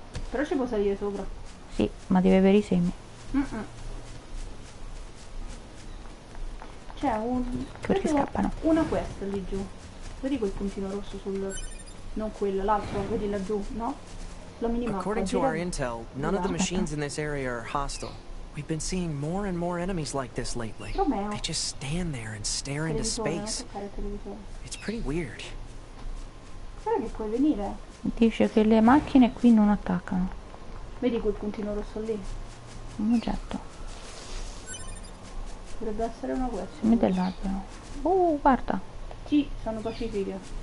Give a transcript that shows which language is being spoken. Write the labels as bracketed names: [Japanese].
[Italian] Però ci può salire sopra. Sì, ma deve avere i semi. C'è un... Perché scappano? Una quest lì giù. Vedi quel puntino rosso sul... Non quello, l'altro, vedi laggiù, no? La minimappa. [English] According to our intel, none of the machines in this area are hostile. We've been seeing more and more enemies like this lately. Romeo. They just stand there and stare into space. It's pretty weird. [Italian] Guarda che puoi venire. Dice che le macchine qui non attaccano. Vedi quel puntino rosso lì? Un oggetto. Dovrebbe essere una quest. Mi dell'albero. Guarda. Sì, sono pacifiche.